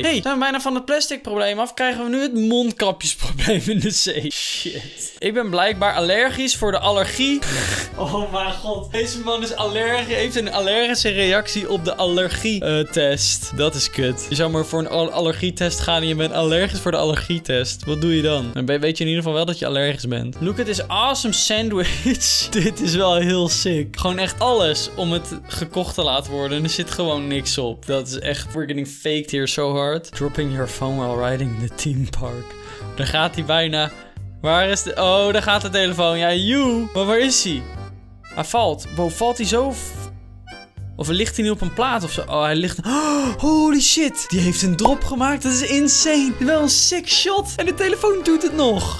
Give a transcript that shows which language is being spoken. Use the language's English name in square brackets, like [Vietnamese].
[Dutch] Hey, zijn we bijna van het plastic probleem af, krijgen we nu het mondkapjesprobleem in de zee. Shit. Ik ben blijkbaar allergisch voor de allergie. Oh mijn god. Deze man is heeft een allergische reactie op de allergietest. Dat is kut. Je zou maar voor een allergietest gaan en je bent allergisch voor de allergietest. Wat doe je dan? Weet je in ieder geval wel dat je allergisch bent. [English] Look at this awesome sandwich. [Dutch] Dit is wel heel sick. Gewoon echt alles om het gekocht te laten worden. Er zit gewoon niks op. Dat is echt... [English] We're getting faked here so hard. Dropping your phone while riding the theme park. [Dutch] Daar gaat hij bijna. Waar is de... Oh, daar gaat de telefoon. Ja, you. Maar waar is hij? Hij valt. Wow, valt hij zo... Of ligt hij nu op een plaat of zo? Oh, hij ligt... Oh, holy shit. Die heeft een drop gemaakt. Dat is insane. Wel een sick shot. En de telefoon doet het nog.